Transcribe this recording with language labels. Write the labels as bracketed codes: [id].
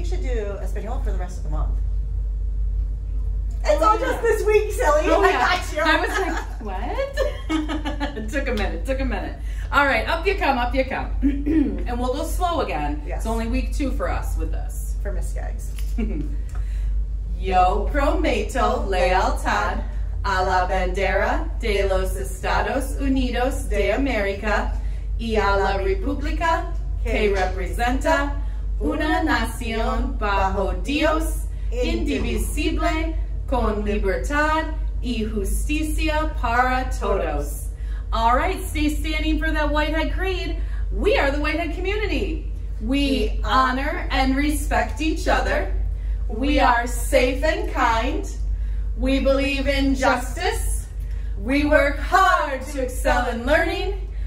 [en] We should do Espanol for the rest of the month. It's all just this week, silly. Oh, yeah. I got you. I was like, what? It took a minute. All right, up you come. And we'll go slow again. Yes. It's only week two for us with this. For Miss Skaggs. [es] Yo prometo lealtad a la bandera de los Estados Unidos de America y a la República que representa una nación bajo Dios indivisible con libertad y justicia para todos. [en] All right, stay standing for that Whitehead Creed. We are the Whitehead community. We honor and respect each other. We are safe and kind. We believe in justice. We work hard to excel in learning.